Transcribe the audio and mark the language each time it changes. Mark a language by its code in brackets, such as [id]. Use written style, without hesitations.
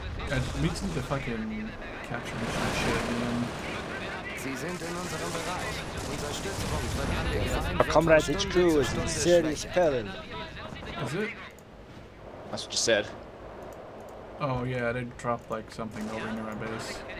[en] And we need to fucking capture this shit, man. [de] Sie sind in unserem Bereich. Unser Stützpunkt wird an der Seite. [en] Our comrade HQ is in serious peril. Is it? That's what you said. Oh yeah, I did drop like something over near my base.